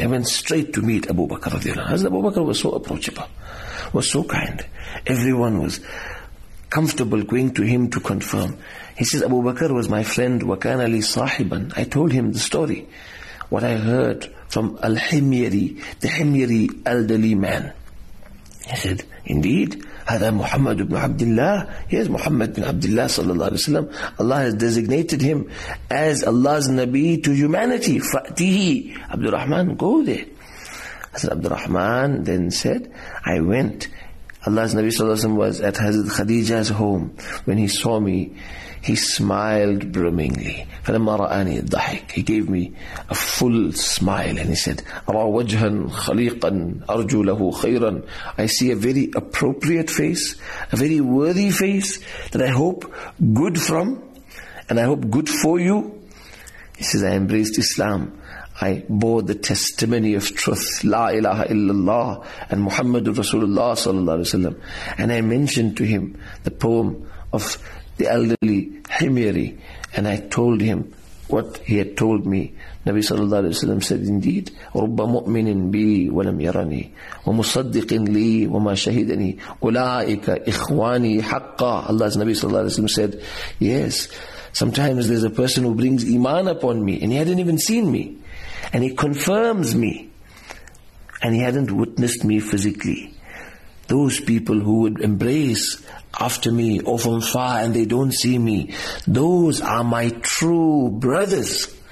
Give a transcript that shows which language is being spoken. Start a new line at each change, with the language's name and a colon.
English: I went straight to meet Abu Bakr radiallahu anhu. Abu Bakr was so approachable, was so kind. Everyone was comfortable going to him to confirm. He says, Abu Bakr was my friend.
Arabic: وَكَانَ لِي صَاحِبًا.
English: I told him the story, what I heard from Al-Himyari, the Himyari elderly man. He said, indeed,
Arabic: هذا محمد بن عبد الله.
English: Yes, Muhammad bin Abdullah صلى الله عليه وسلم. Allah has designated him as Allah's Nabi to humanity.
Arabic: فأتيهي.
English: عبد الرحمن, go there. Hazrat عبد الرحمن then said, I went. Allah's Nabi صلى الله عليه وسلم was at Hazrat Khadija's home. When he saw me, he smiled brimmingly.
Arabic: فلما رأني الضحك,
English: he gave me a full smile and he said,
Arabic: أرى وجها خليقا أرجو له خيرا.
English: I see a very appropriate face, a very worthy face that I hope good from and I hope good for you. He says, I embraced Islam. I bore the testimony of truth, La ilaha illallah, and Muhammadur Rasulullah sallallahu alayhi wa sallam. And I mentioned to him the poem of the elderly Himyari, and I told him what he had told me. Nabi sallallahu alayhi wa sallam said, indeed,
Arabic: رُبَّ مُؤْمِنٍ بِي وَلَمْ يَرَنِي وَمُصَدِّقٍ لِي وَمَا شَهِدَنِي أُولَٰئِكَ إِخْوَانِي حَقَّى.
English: Allah's Nabi sallallahu alayhi wa sallam said, yes, sometimes there's a person who brings iman upon me and he hadn't even seen me. And he confirms me. And he hadn't witnessed me physically. Those people who would embrace after me or from far and they don't see me, those are my true brothers.